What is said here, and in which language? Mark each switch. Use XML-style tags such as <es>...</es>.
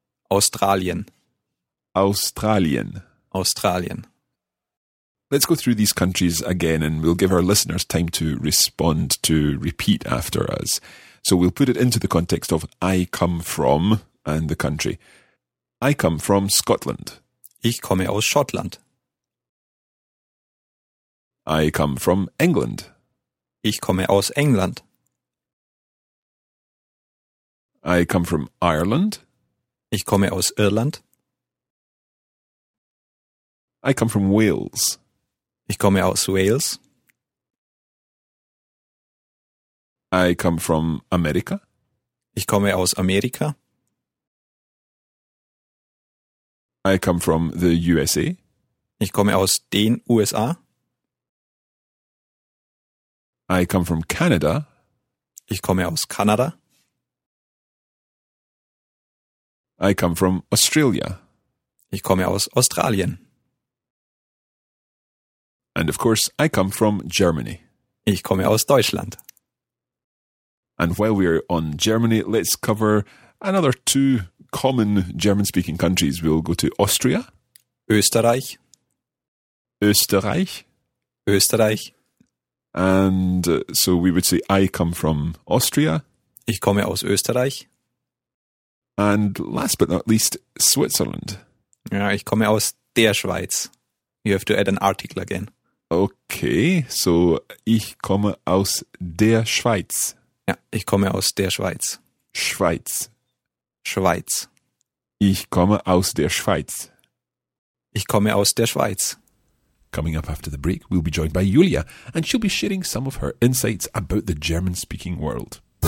<de>Australien. Australien. Australien.</de> <en>Let's go through these countries again and we'll give our listeners time to respond, to repeat after us. So we'll put it into the context of I come from and the country. I come from Scotland.</en> <de>Ich komme aus Schottland.</de> <en>I come from England.</en> <de>Ich komme aus England.</de> <en>I come from Ireland.</en> <de>Ich komme aus Irland.</de> <en>I come from Wales.</en> <de>Ich komme aus Wales.</de> <en>I come from America.</en> <de>Ich komme aus Amerika.</de> <en>I come from the USA.</en> <de>Ich komme aus den USA.</de> <en>I come from Canada.</en> <de>Ich komme aus Kanada.</de> <en>I come from Australia.</en> <de>Ich komme aus Australien.</de> <en>And of course, I come from Germany.</en> <de>Ich komme aus Deutschland.</de> <en>And while we're on Germany, let's cover another two common German-speaking countries. We'll go to Austria.</en> <de>Österreich. Österreich. Österreich.</de> <en>And so we would say, I come from Austria.</en> <de>Ich komme aus Österreich.</de> <en>And last but not least, Switzerland.</en> <de>Ja, ich komme aus der Schweiz.</de> <en>You have to add an article again. Okay, so</en> <de>ich komme aus der Schweiz. Ja, ich komme aus der Schweiz. Schweiz. Schweiz. Ich komme aus der Schweiz. Ich komme aus der Schweiz.</de> <en>Coming up after the break, we'll be joined by Julia, and she'll be sharing some of her insights about the German-speaking world.</en>